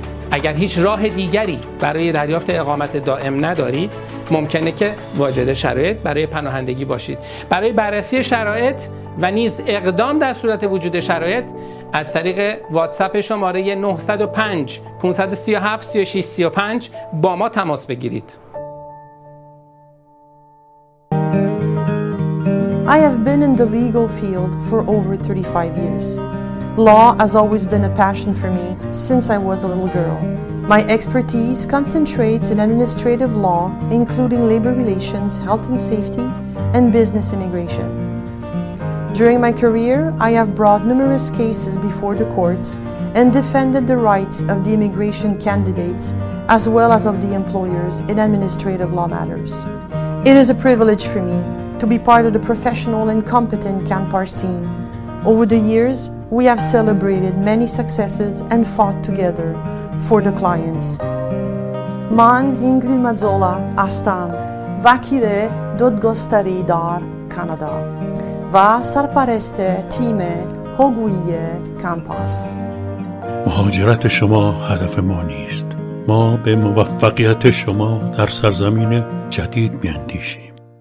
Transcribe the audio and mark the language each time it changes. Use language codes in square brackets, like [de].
[fa] اگر هیچ راه دیگری برای دریافت اقامت دائم ندارید، ممکنه که واجد شرایط برای پناهندگی باشید. برای بررسی شرایط و نیز اقدام در صورت وجود شرایط، از طریق واتساپ شماره 905-537-3635 با ما تماس بگیرید. [en] I have been in the legal field for over 35 years. Law has always been a passion for me since I was a little girl. My expertise concentrates in administrative law, including labor relations, health and safety, and business immigration. During my career, I have brought numerous cases before the courts and defended the rights of the immigration candidates as well as of the employers in administrative law matters. It is a privilege for me to be part of the professional and competent CanPars team. Over the years, we have celebrated many successes and fought together for the clients. [fa] من اینگرید مازولا هستم، وکیل دادگستری در کانادا و سرپرست تیم هوگویی CanPars. مهاجرت شما هدف ما نیست. ما به موفقیت شما در سرزمین جدید می‌اندیشیم.